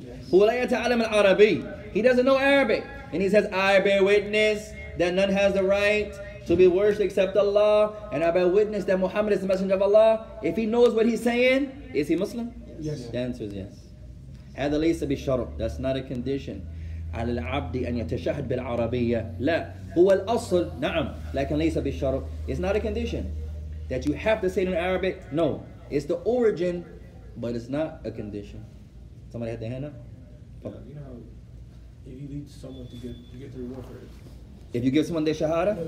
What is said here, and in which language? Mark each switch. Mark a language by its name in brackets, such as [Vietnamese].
[English] Yes. He doesn't know Arabic. And he says, I bear witness that none has the right to be worshipped except Allah, and I bear witness that Muhammad is the messenger of Allah. If he knows what he's saying, is he Muslim? Yes. The answer is yes. [Arabic] هذا ليس بشرط. [English] That's not a condition. [Arabic] على العبد أن يتشهد بالعربية. لا. هو الأصل. نعم. لكن ليس بشرط. [English] It's not a condition that you have to say it in Arabic. No. It's the origin, but it's not a condition. Somebody had their hand up? Yeah, you know, if you lead someone to get the reward for it. If you give someone their shahada?